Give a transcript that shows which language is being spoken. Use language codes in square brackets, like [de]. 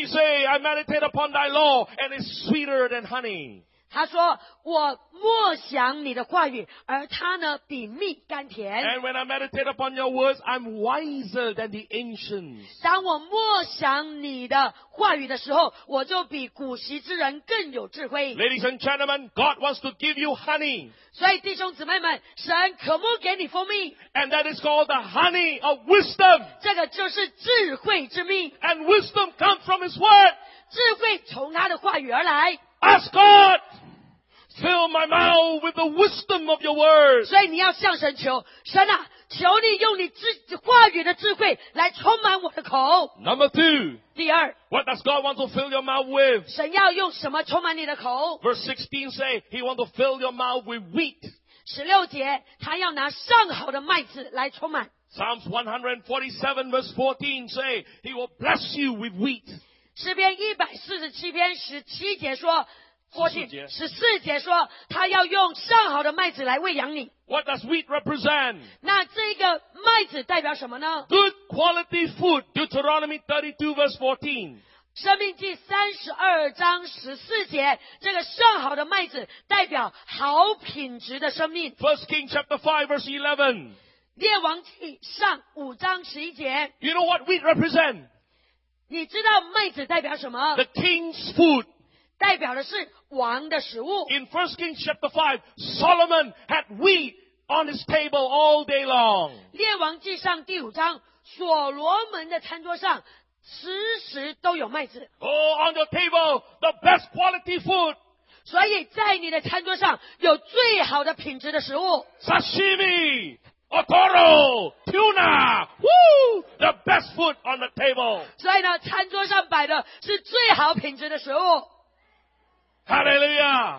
[en] He say, I meditate upon thy law, and it's sweeter than honey. [zh] 他说，我默想你的话语，而它呢比蜜甘甜。 [en] And when I meditate upon your words, I'm wiser than the ancients. [zh] 当我默想你的话语的时候，我就比古时之人更有智慧。 [en] Ladies and gentlemen, God wants to give you honey. [zh] 所以弟兄姊妹们，神渴慕给你蜂蜜。 [en] And that is called the honey of wisdom. [zh] 这个就是智慧之蜜。 [en] And wisdom comes from His word. [zh] 智慧从他的话语而来。 [en] Ask God, fill my mouth with the wisdom of your word. [zh] 所以你要向神求，神啊，求你用你话语的智慧来充满我的口。 [en] Number two. [zh] 第二。 [en] What does God want to fill your mouth with? [zh] 神要用什么充满你的口？ [en] Verse 16 say, He want to fill your mouth with wheat. [zh] 十六节，他要拿上好的麦子来充满。 [en] Psalms 147 verse 14 say, He will bless you with wheat. [zh] 诗篇147篇17节说，14节说，他要用上好的麦子来喂养你。 [en] What does wheat represent? [zh] 那这个麦子代表什么呢？ [en] Good quality food, Deuteronomy 32 verse 14. [zh] 生命记32章14节，这个上好的麦子代表好品质的生命。 [en] First King chapter 5 verse 11. [zh] 列王记上5章11节。 [en] You know what wheat represent? [zh] 你知道麦子代表什么？ [en] The king's food. [zh] 代表的是王的食物。 [en] In 1 Kings chapter 5, Solomon had wheat on his table all day long. [zh] 列王记上第五章，所罗门的餐桌上时时都有麦子。 [en] Oh, on the table, the best quality food. [zh] 所以在你的餐桌上有最好的品质的食物。 [en] Sashimi, Otoro, tuna, woo, the best food on the table. [zh] 所以呢，餐桌上摆的是最好品质的食物。 [en] Hallelujah,